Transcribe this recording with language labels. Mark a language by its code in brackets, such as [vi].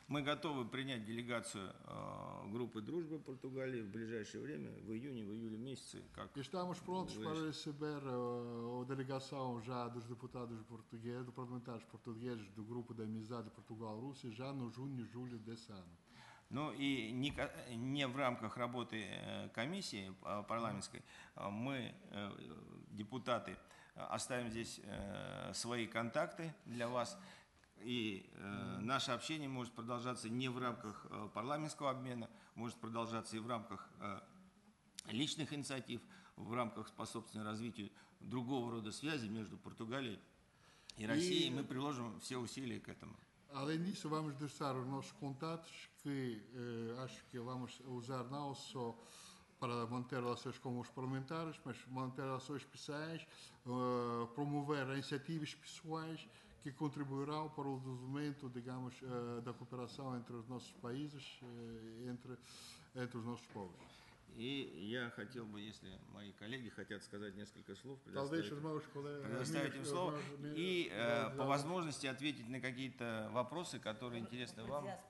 [ru] Мы готовы принять делегацию группы дружбы Португалии в ближайшее время, в июне, в июле месяце. Как [pt] estamos prontos para receber a delegação já dos deputados portugueses, dos parlamentares portugueses, do grupo de amizade Portugal-Rússia, já no junho, julho desse ano. [ru] Ну и не в рамках работы комиссии парламентской, мы, депутаты, оставим здесь свои контакты для вас. И наше общение может продолжаться не в рамках парламентского обмена, может продолжаться и в рамках личных инициатив, в рамках способствования развитию другого рода связи между Португалией и Россией. И мы приложим все усилия к этому. [pt] Além disso, vamos deixar os nossos contatos, que acho que vamos usar não só para manter relações com os parlamentares, mas manter relações pessoais, promover iniciativas pessoais que contribuirão para o desenvolvimento, digamos, da cooperação entre os nossos países, entre os nossos povos. E eu [ru] хотел бы, если мои коллеги хотят сказать несколько слов, предоставить им слово и по возможности ответить на какие-то вопросы, которые интересны вам.